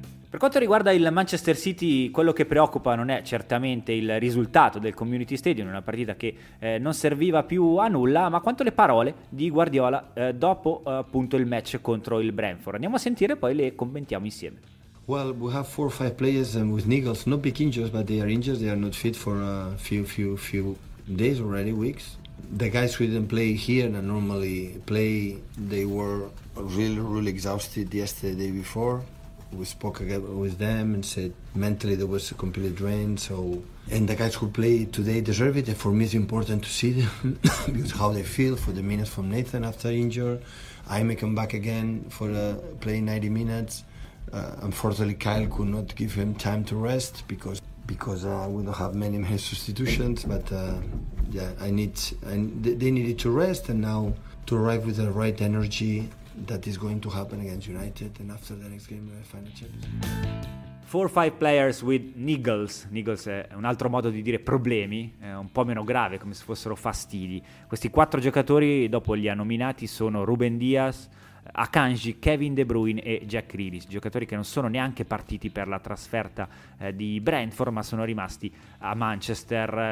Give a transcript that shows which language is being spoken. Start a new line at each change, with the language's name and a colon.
Italian: Per quanto riguarda il Manchester City, quello che preoccupa non è certamente il risultato del Community Stadium, una partita che non serviva più a nulla, ma quanto le parole di Guardiola dopo appunto il match contro il Brentford. Andiamo a sentire, poi le commentiamo insieme.
English: Well, we have four or five players with niggles, not big injuries, but they are injured, they are not fit for a few days already, weeks. The guys who didn't play here and normally play, they were really exhausted yesterday, day before. We spoke again with them and said mentally there was a complete drain. So, and the guys who play today deserve it. And for me, it's important to see them because how they feel for the minutes from Nathan after injury. I may come back again for playing 90 minutes. Unfortunately, Kyle could not give him time to rest because we don't have many substitutions. But they needed to rest and now to arrive with the right energy. That is going to happen against United, and after the next game, the final challenge. Four or five players with niggles.
Italian: Niggles è un altro modo di dire problemi, un po' meno grave, come se fossero fastidi. Questi quattro giocatori, dopo li ha nominati, sono Ruben Dias, Akanji, Kevin De Bruyne e Jack Grealish, giocatori che non sono neanche partiti per la trasferta di Brentford, ma sono rimasti a Manchester.